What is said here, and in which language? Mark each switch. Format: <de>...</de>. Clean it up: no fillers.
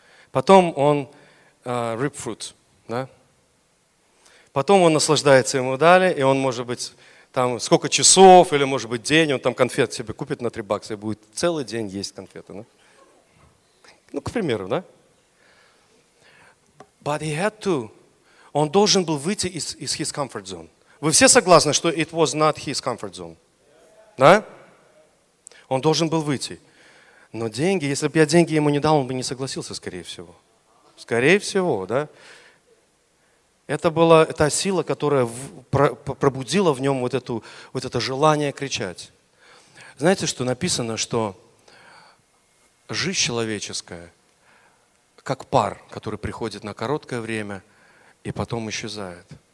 <ru>Потом он</ru> <en>rip fruit,</en> <ru>да? Потом он наслаждается ему дали, и он, может быть, там сколько часов или, может быть, день, он там конфет себе купит на $3 и будет целый день есть конфеты. Да? Ну, к примеру, да?</ru> <en>But he had to.</en> <ru>Он должен был выйти из</ru> <en>his comfort zone.</en> <ru>Вы все согласны, что</ru> <en>it was not his comfort zone?</en> <ru>Да? Он должен был выйти. Но деньги, если бы я деньги ему не дал, он бы не согласился, скорее всего. Скорее всего, да? Это была та сила, которая пробудила в нем вот это желание кричать. Знаете, что написано, что жизнь человеческая, как пар, который приходит на короткое время и потом исчезает.</ru>